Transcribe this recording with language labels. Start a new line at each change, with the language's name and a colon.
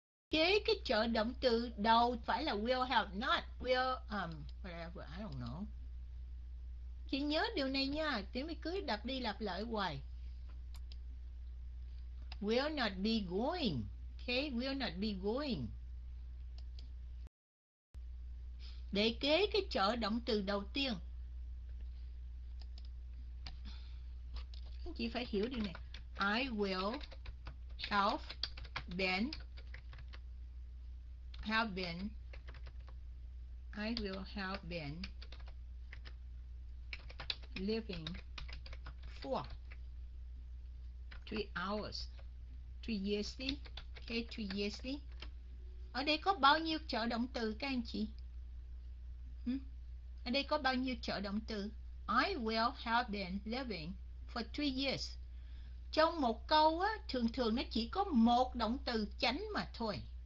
Vietnamese: Kế cái trợ động từ đầu phải là
English: will have not, will whatever, I don't know.
Vietnamese: Chị nhớ điều này nha, tiếng mới cứ đập đi lặp lại hoài.
English: Will not be going, okay, will not be going.
Vietnamese: Để kế cái trợ động từ đầu tiên. Chị phải hiểu điều này.
English: I will have been, have been, I will have been living for 3 hours, 3 years, okay, 3 years.
Vietnamese: Ở đây có bao nhiêu trợ động từ các anh chị? Ở đây có bao nhiêu trợ động từ?
English: I will have been living for 3 years.
Vietnamese: Trong một câu á, thường thường nó chỉ có một động từ chánh mà thôi.